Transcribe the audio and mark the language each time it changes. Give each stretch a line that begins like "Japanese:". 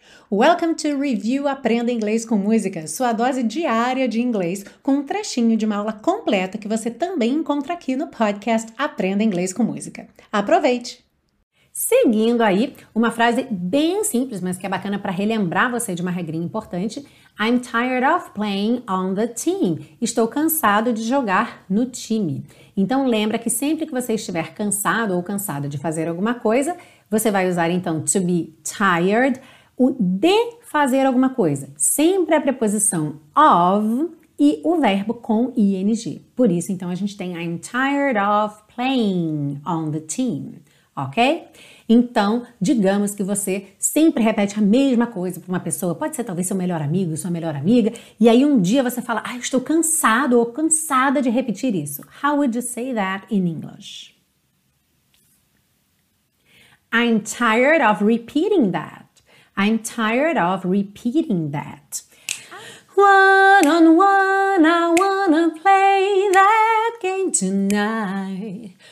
English: Welcome to
Portuguese: Review Aprenda Inglês com Música, sua dose diária de inglês, com um trechinho de uma aula completa que você também encontra aqui no podcast Aprenda Inglês com Música. Aproveite! Seguindo aí, uma frase bem simples, mas que é bacana para relembrar você de uma regrinha importante.
English: I'm tired of playing on the team.
Portuguese: Estou cansado de jogar no time. Então, lembra que sempre que você estiver cansado ou cansada de fazer alguma coisa, você vai usar, então, to be tired, o de fazer alguma coisa. Sempre a preposição of e o verbo com ing. Por isso, então, a gente tem
English: I'm tired of playing on the team.
Portuguese: Ok? Então, digamos que você sempre repete a mesma coisa para uma pessoa, pode ser talvez seu melhor amigo, sua melhor amiga, e aí um dia você fala, ah, estou cansado ou cansada de repetir isso.
English: How would you say that in English? I'm tired of repeating that. I'm tired of repeating that. One on one, I wanna play that game tonight.